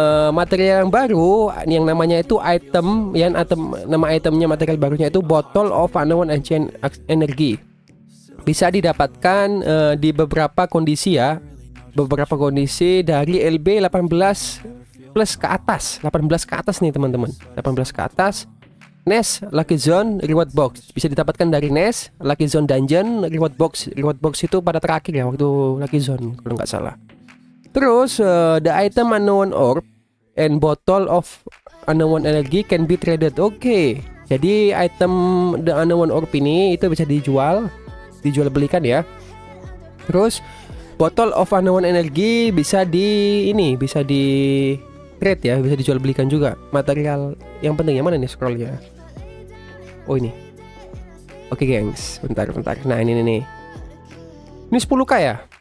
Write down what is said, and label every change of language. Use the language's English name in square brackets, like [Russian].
[Indonesian] Material yang baru yang namanya itu item, yang item nama itemnya material barunya itu bottle of unknown ancient energy bisa didapatkan di beberapa kondisi ya, beberapa kondisi dari LB 18 plus ke atas, 18 ke atas nih teman-teman, 18 ke atas NES lucky zone reward box bisa didapatkan dari NES lucky zone dungeon reward box. Reward box itu pada terakhir ya waktu lucky zone kalau nggak salah. [English] Terus the item unknown orb and bottle of unknown energy can be traded. [Indonesian] Oke, jadi item the unknown orb ini itu bisa dijual belikan ya. Terus bottle of unknown energy bisa trade ya, bisa dijual belikan juga. Material yang penting yang mana nih scrollnya? Oh ini. Oke, gengs, bentar. Nah ini nih. Ini 10K ya?